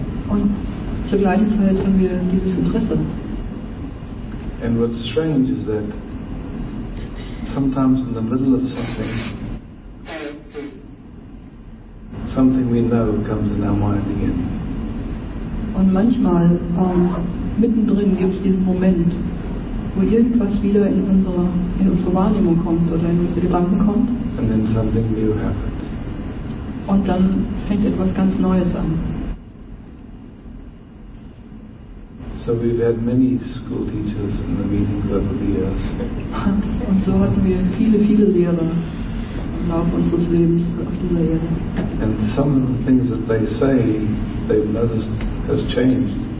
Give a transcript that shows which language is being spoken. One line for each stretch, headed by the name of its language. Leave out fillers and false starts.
German: Und zur gleichen Zeit haben wir dieses Interesse.
English: And what's strange is that sometimes in the middle of something, something we know comes in our mind again.
German: Und manchmal mittendrin gibt es diesen Moment, wo irgendwas wieder in unsere Wahrnehmung kommt oder in unsere Gedanken kommt.
English: And then something new happens.
German: Und dann fängt etwas ganz Neues an.
English: So we've had many school teachers in the meetings over the years.
German: Und so hatten wir viele, viele Lehrer im Laufe unseres Lebens auf dieser Erde.
English: And some things that they say, they've noticed has changed.